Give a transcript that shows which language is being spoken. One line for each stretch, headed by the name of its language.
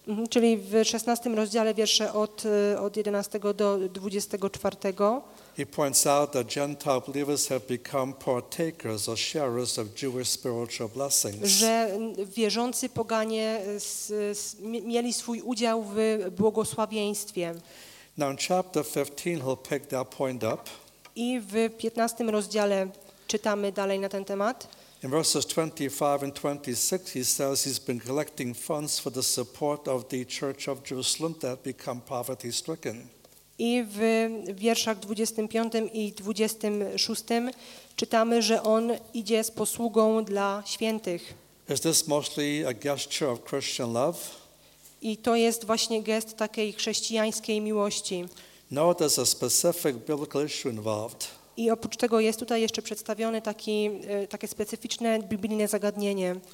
Polish: czyli w 16 rozdziale wiersze od 11 do 24.
English: He points out that Gentile believers have become partakers or sharers of Jewish spiritual blessings.
Polish: Że wierzący poganie mieli swój udział w błogosławieństwie.
English: Now in chapter 15 he'll pick that point up.
Polish: I w 15 rozdziale czytamy dalej na ten temat.
English: In verses 25 and 26 he says he's been collecting funds for the support of the church of Jerusalem that become poverty stricken.
Polish: I w wierszach 25 i 26 czytamy, że on idzie z posługą dla świętych.
English: Is this mostly a gesture of Christian love?
Polish: I to jest właśnie gest takiej chrześcijańskiej miłości.
English: No, there's a specific biblical issue involved.
Polish: I oprócz tego jest tutaj jeszcze przedstawione takie specyficzne biblijne zagadnienie.